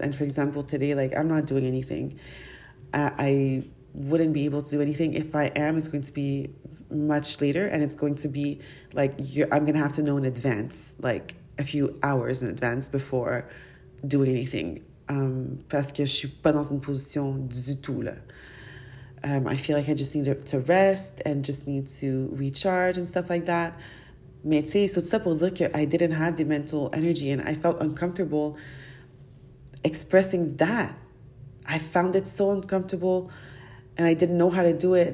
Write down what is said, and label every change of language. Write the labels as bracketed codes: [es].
[en] And for example, today, like, I'm not doing anything. I wouldn't be able to do anything. If I am, it's going to be much later, and it's going to be like I'm gonna have to know in advance, like a few hours in advance before doing anything. [fr] Parce que je suis pas dans une position du tout là. [en] I feel like I just need to rest and just need to recharge and stuff like that. [fr] Mais tu sais, c'est ça pour dire que [en] I didn't have the mental energy and I felt uncomfortable expressing that. I found it so uncomfortable and I didn't know how to do it.